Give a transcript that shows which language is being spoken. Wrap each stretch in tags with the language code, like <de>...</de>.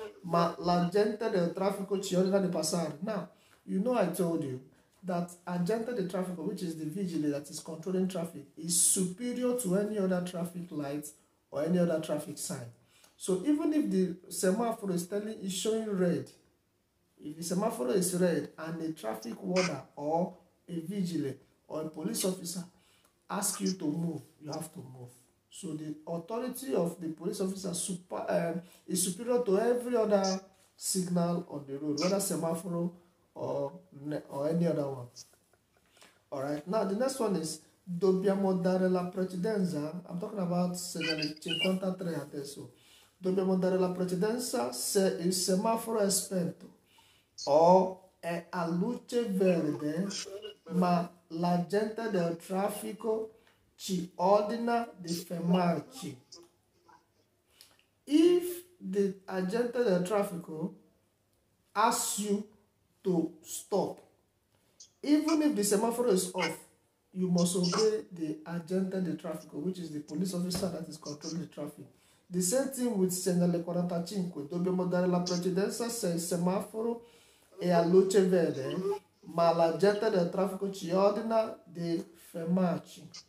<it>Ma la gente del traffico ci ordina di passare.</it> <en>Now, you know I told you that agente del traffico, which is the vigile that is controlling traffic, is superior to any other traffic light or any other traffic sign. So even if the semaphore is telling, is showing red, if the semaphore is red and a traffic warder or a vigile or a police officer ask you to move, you have to move. So the authority of the police officer is superior to every other signal on the road, whether semaphore or any other one. All right. Now the next one is</en> <it>dobbiamo dare la precedenza.</it> <en>I'm talking about 53 adesso.</en> <it>Dobbiamo dare la precedenza se il semaforo è spento o è a luce verde, ma l'agente del traffico ci ordina di fermarci.</it> <en>If the agente del traffico asks you to stop, even if the semaphore is off, you must obey the agente del traffico, which is the police officer that is controlling the traffic. The same thing with Segnale 45.</en> <it>Dobbiamo dare la precedenza se il semaforo è a luce verde, ma l'agente del traffico ci ordina di fermarci.</it>